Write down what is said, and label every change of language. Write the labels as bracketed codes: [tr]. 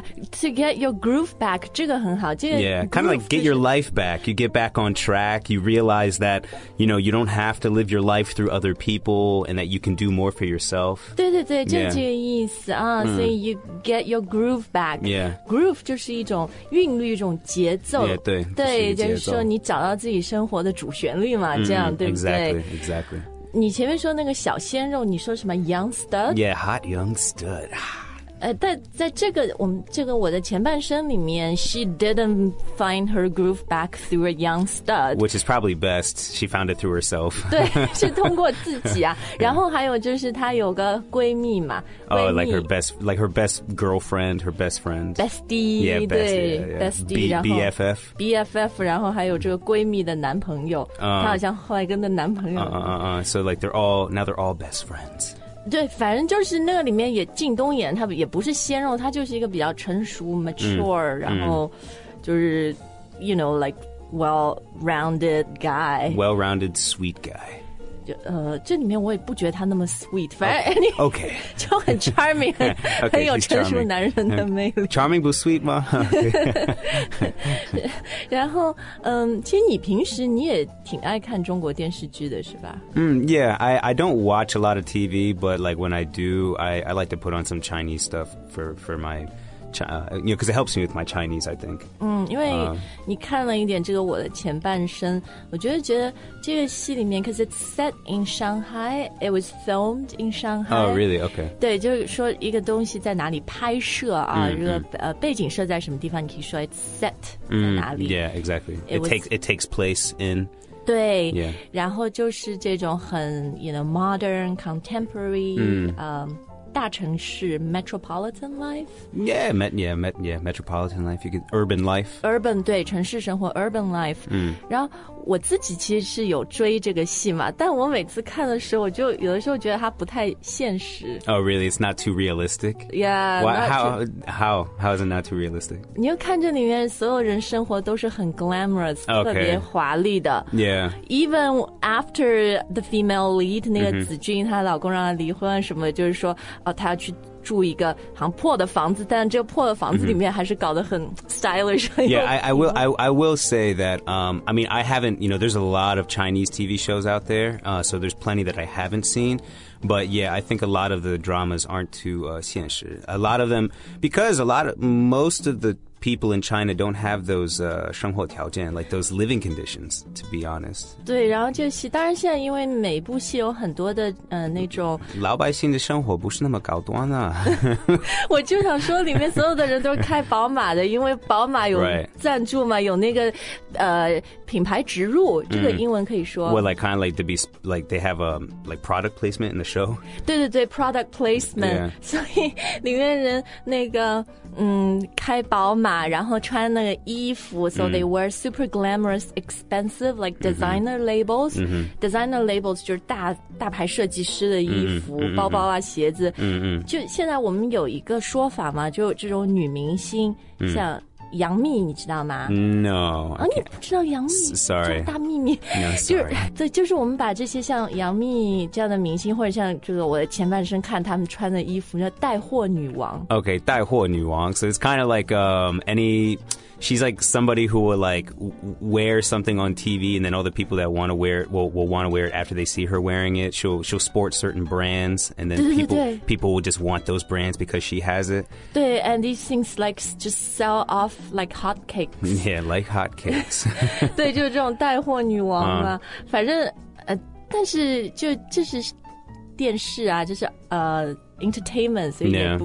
[en] to get your groove back [zh] 这个很好、这个、 [en] yeah kind of like get your life back you get back on track you realize that you know you don't have to live your life through other people and that you can do more for yourself [zh] 对对对就这个意思、所以 [en] you get your groove back yeah [zh] groove 就是一种韵律一种节奏 [en] yeah, [zh] 对对就是说你找到自己生活的主旋律嘛这样、对不对 [en] exactly [zh] 你前面说那个小鲜肉你说什么 [en] young stud yeah hot young stud [zh] 但在这个我们这个我的前半生里面 [en] she didn't find her groove back through a young stud which is probably best she found it through herself [zh] 对是通过自己啊然后还有就是她有个闺蜜嘛 [en] Oh, like her best girlfriend, her best friend. Bestie. Yeah, bestie. BFF. [zh] BFF, 然后还有这个闺蜜的男朋友。她好像后来跟的男朋友。 [en] So like they're all, now they're all best friends. [zh] 对，反正就是那个里面也靳东演，他也不是鲜肉，他就是一个比较成熟 mature，然后就是 [en] you know like well rounded guy， well rounded sweet guy。 [zh] 这里面我也不觉得他那么 sweet， 反正 [en] OK [zh] 就很 charming， 很, [en] okay, [zh] 很有成熟男人的魅力。 [en] charming [zh] 不 sweet 吗？然后其实你平时你也挺爱看中国电视剧的是吧？ [en] Yeah, I don't watch a lot of TV, but like when I do, I like to put on some Chinese stuff for my you know, because it helps me with my Chinese, I think. [zh] 因为你看了一点这个我的前半生，我觉得这个戏里面 [en] because it's set in Shanghai, [zh] it was filmed in Shanghai. [en] Oh, really? Okay. [zh] 对，就是说一个东西在哪里拍摄啊，这个背景设在什么地方，你可以说 [en] it's set [zh] 在哪里。 [en] Yeah, exactly. It takes place in... [zh] 对、 [en] yeah. [zh] 然后就是这种很 [en] you know, modern, contemporary... [zh] 大城市 [en] metropolitan life? Metropolitan life, you could, urban life. [zh] Urban, 对城市生活 [en] urban life. [zh] 然后我自己其实是有追这个戏嘛，但我每次看的时候我就有的时候觉得它不太现实。 [en] Oh, really? It's not too realistic? Yeah. How is it not too realistic? [zh] 你就看着里面所有人生活都是很 [en] glamorous,、 okay. [zh] 特别华丽的。 [en] Yeah. Even after the female lead, [zh] 那个子俊、她老公让她离婚什么就是说哦、他要去住一个好像破的房子，但这个破的房子里面还是搞得很 stylish、mm-hmm. 很 [en] yeah, I will say that、I mean, I haven't, you know, there's a lot of Chinese TV shows out there、so there's plenty that I haven't seen. But yeah, I think a lot of the dramas aren't too [zh] 现实 [en] A lot of them, because a lot of, most of the people in China don't have those [zh] 生活条件 [en] like those living conditions, to be honest. [zh] 对然后就是当然现在因为每部戏有很多的那种老百姓的生活不是那么高端啊。我就想说里面所有的人都是开宝马的因为宝马有赞助嘛、 [en] right. [zh] 有那个品牌植入这个英文可以说。 [en] Well, like, kind of like to be, like, they have a, like, product placement in the show. [zh] 对对对 [en] product placement.、 Yeah. [zh] 所以里面人那个开宝马然后穿那个衣服 [en] so they wear super glamorous expensive like designer labels、 mm-hmm. designer labels [zh] 就是大牌设计师的衣服、 [en] mm-hmm. [zh] 包包啊鞋子、 [en] mm-hmm. [zh] 就现在我们有一个说法嘛就这种女明星、 [en] mm-hmm. [zh] 像杨幂你知道吗 [en] No、 [zh] 啊、你不知道杨幂 [en] Sorry [zh] 大秘密 [en] No sorry [zh] 就是我们把这些像杨幂这样的明星或者像这个我的前半生看他们穿的衣服叫带货女王 [en] OK [zh] 带货女王 [en] So it's kind of like she's like somebody who will like wear something on TV and then all the people that want to wear it will want to wear it after they see her wearing it she'll sport certain brands and then [zh] 对对对 [en] people will just want those brands because she has it [zh] 对 [en] and these things like just sell offLike hotcakes. Yeah, like hotcakes. [zh] 对，就是这种带货女王嘛。反正但是就这是电视啊，这是 [en] entertainment， [zh] 所以也不、